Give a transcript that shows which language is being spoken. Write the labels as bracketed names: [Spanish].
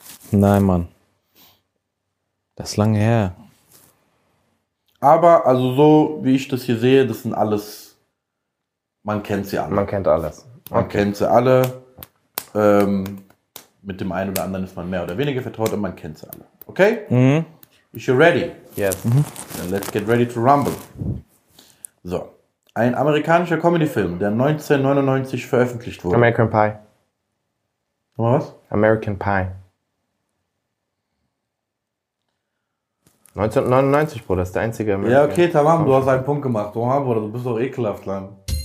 [German] Nein, Mann. Das ist lange her. Aber, also so, wie ich das hier sehe, das sind alles, man kennt sie alle. Man kennt alles. Man kennt sie alle. Mit dem einen oder anderen ist man mehr oder weniger vertraut, aber man kennt sie alle. Okay? Mhm. [English] Is you ready? Yes. Then let's get ready to rumble. [German] So. Ein amerikanischer Comedy-Film, der 1999 veröffentlicht wurde. [English] American Pie. [German] Was? [English] American Pie. [German] 1999, Bruder, ist der einzige [English] American. [German] Ja, okay, Tamam, du hast einen Punkt gemacht. Oha, Bruder, du bist doch ekelhaft lang.